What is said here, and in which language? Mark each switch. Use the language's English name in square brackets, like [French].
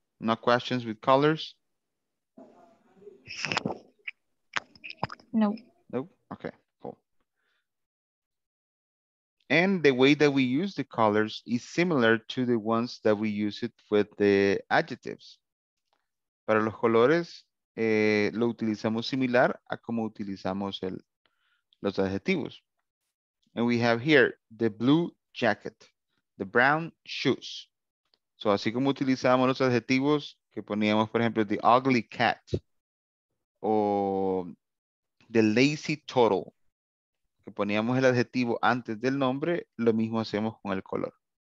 [English] No questions with colors? No. Okay, cool. And the way that we use the colors is similar to the ones that we use it with the adjectives. [Spanish] Para los colores, lo utilizamos similar a como utilizamos los adjetivos. [English] And we have here the blue jacket, the brown shoes. [Spanish] So así como utilizamos los adjetivos que poníamos, por ejemplo, [English] the ugly cat, [Spanish] o [English] the lazy turtle, [Spanish] que poníamos el adjetivo antes del nombre, lo mismo hacemos con el color.